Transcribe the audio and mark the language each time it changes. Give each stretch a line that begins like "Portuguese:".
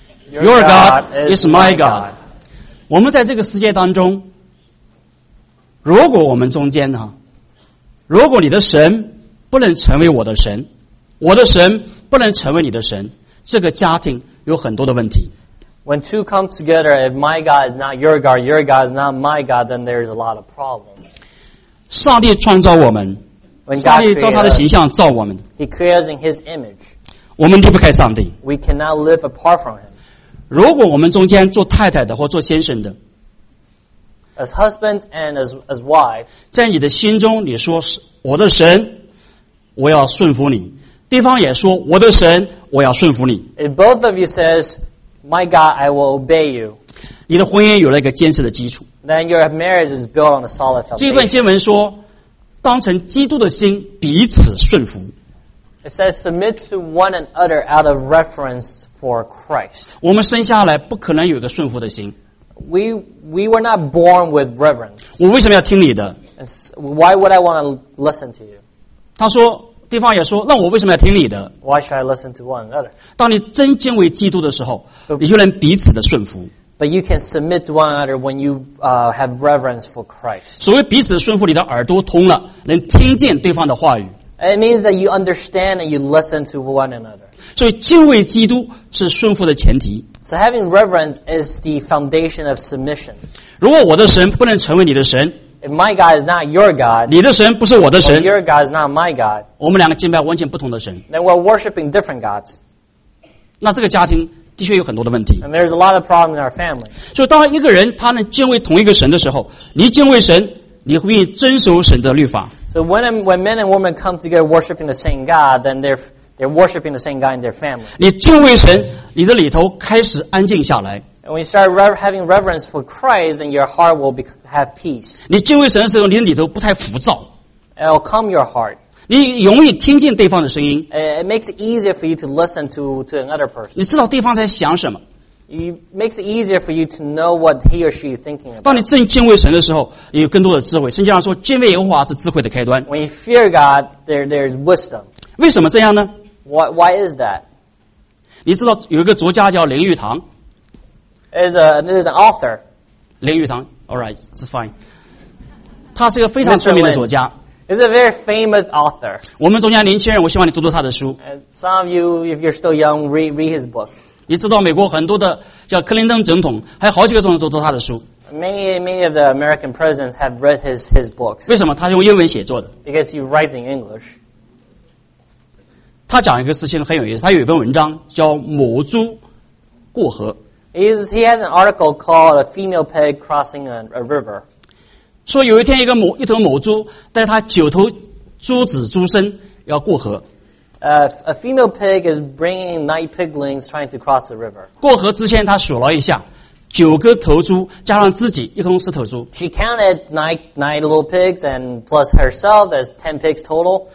English: ，Your God is my God。
Chinese: 我们在这个世界当中，如果我们中间呢，如果你的神不能成为我的神，我的神不能成为你的神，这个家庭有很多的问题。
English: When two come together, if my God is not your God, your God is not my God, then there is a lot of problems.
Chinese: 上帝创造我们, 上帝照他的形象, 造我们,
English: He creates in His image.
Chinese: 我们离不开上帝,
English: we cannot live apart from Him.
Chinese: 如果我们中间做太太的或做先生的,
English: as husband and as wife,
Chinese: 在你的心中你说, 我的神, 我要顺服你, 对方也说, 我的神, 我要顺服你,
English: if both of you says, My God, I will obey you.
Chinese: 你的婚姻有了一个坚实的基础。
English: Then your marriage is built on a solid foundation.
Chinese: 这段经文说, 当成基督的心, 彼此顺服。
English: It says, submit to one another out of reference for Christ.
Chinese: 我们生下来不可能有一个顺服的心。
English: We were not born with reverence.
Chinese: 我为什么要听你的?
English: And why would I want to listen to you?
Chinese: 他说, 对方也说,那我为什么要听你的?
English: Why should I listen to one another?
Chinese: 当你真敬畏基督的时候, 你就能彼此的顺服。
English: But you can submit to one another when you have reverence for Christ.
Chinese: 所谓彼此的顺服, 你的耳朵通了, 能听见对方的话语。
English: It means that you understand and you listen to one another.
Chinese: 所以敬畏基督是顺服的前提。
English: So having reverence is the foundation of submission.
Chinese: 如果我的神不能成为你的神，
English: If my God is not your God,
Chinese: 你的神不是我的神，
English: or your God is not my God,
Chinese: 我们两个敬拜完全不同的神，
English: then we're worshiping different gods.
Chinese: 那这个家庭的确有很多的问题。
English: And there's a lot of problems in our family.
Chinese: 所以当一个人他能敬畏同一个神的时候，你敬畏神，你会遵守神的律法。
English: So when men and women come together worshiping the same God, then they're worshiping the same God in their family.
Chinese: 你敬畏神，你的里头开始安静下来。
English: And when you start having reverence for Christ, then your heart will have peace.
Chinese: 你敬畏神的时候，你的里头不太浮躁。
English: It will calm your heart.
Chinese: 你容易听见对方的声音。
English: It makes it easier for you to listen to another person.
Chinese: 你知道对方在想什么。
English: It makes it easier for you to know what he or she is thinking about.
Chinese: 当你正敬畏神的时候，你有更多的智慧。圣经上说，敬畏耶和华是智慧的开端。
English: When you fear God, there is wisdom.
Chinese: 为什么这样呢？
English: Why is that?
Chinese: 你知道有一个作家叫林语堂。
English: It is an author. 林语堂 ，All right, it's fine.
Chinese: 他是一个非常出名的作家。
English: He's a very famous author.
Chinese: 我们中间年轻人，我希望你读读他的书。
English: Some of you, if you're still young, read his books.
Chinese: 你知道美国很多的叫克林顿总统，还有好几个总统都读他的书。
English: Many of the American presidents have read his books.
Chinese: 为什么？他用英文写作的。
English: Because he writes in English.
Chinese: 他讲一个事情很有意思，他有一篇文章叫《母猪过河》。
English: He has an article called "A Female Pig Crossing a River."
Chinese: 说有一天一头母猪带他九头猪子猪身要过河。
English: A female pig is bringing 9 piglings trying to cross the river.
Chinese: 过河之前，她数了一下，九个头猪加上自己，一共十头猪。
English: She counted nine little pigs and plus herself as 10 pigs total.